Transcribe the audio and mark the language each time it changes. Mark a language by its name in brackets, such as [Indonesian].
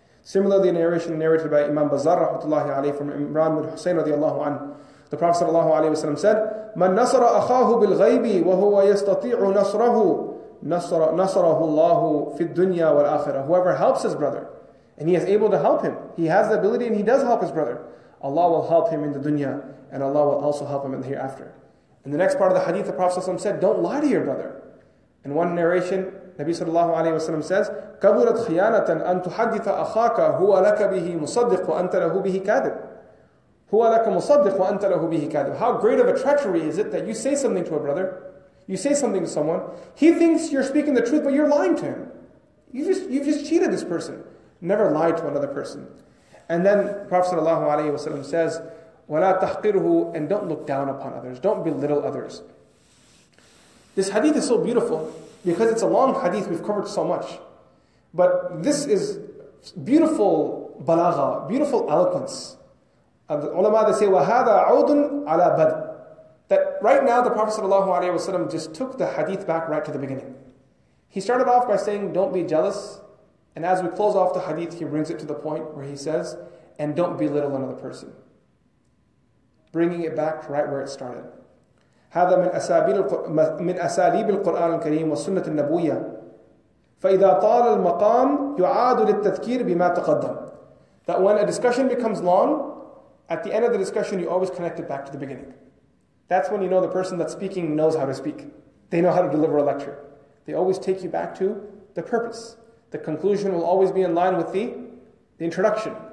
[English] Similarly, a narration narrated by Imam Bazar rahmatullahi alayhi from Imran bin Husayn radiallahu anhu, the Prophet sallallahu alayhi wasallam said, [Arabic] مَنْ نَصَرَ أَخَاهُ بِالْغَيْبِ وَهُوَ يَسْتَطِيعُ نَصْرَهُ نَصَرَهُ اللَّهُ فِي الدُّنْيَا وَالْآخِرَةِ. [English] Whoever helps his brother, and he is able to help him, he has the ability and he does help his brother, Allah will help him in the dunya, and Allah will also help him in the hereafter. In the next part of the hadith, the Prophet ﷺ said, don't lie to your brother. In one narration, Nabi sallallahu alayhi wasallam says, [Arabic] كَبُرَتْ خِيَانَةً أَن تُحَدِّثَ أَخَاكَ هُوَ لَكَ بِهِ مُصَدِّقُ وَأَنْتَ لَهُ بِهِ كَاذِبُ. هُوَ لَكَ مُصَدِّقُ وَأَنْتَ لَهُ بِهِ كَاذِبُ. [English] How great of a treachery is it that you say something to a brother, you say something to someone, he thinks you're speaking the truth, but you're lying to him. You've just cheated this person. Never lie to another person. And then Prophet sallallahu alayhi wasallam says, [Arabic] وَلَا تَحْقِرُهُ, [English] and don't look down upon others. Don't belittle others. This hadith is so beautiful because it's a long hadith, we've covered so much. But this is beautiful balagha, beautiful eloquence. And the ulama, they say, [Arabic] وَهَذَا عَوْضٌ عَلَى بَدْءٍ. [English] That right now the Prophet sallallahu alayhi wasallam just took the hadith back right to the beginning. He started off by saying, don't be jealous. And as we close off the hadith, he brings it to the point where he says, and don't belittle another person. Bringing it back right where it started. [Arabic] هذا من أساليب القرآن الكريم والسنة النبوية. فإذا طال المقام يعاد للتذكير بما تقدم. [English] That when a discussion becomes long, at the end of the discussion, you always connect it back to the beginning. That's when you know the person that's speaking knows how to speak. They know how to deliver a lecture. They always take you back to the purpose. The conclusion will always be in line with the introduction.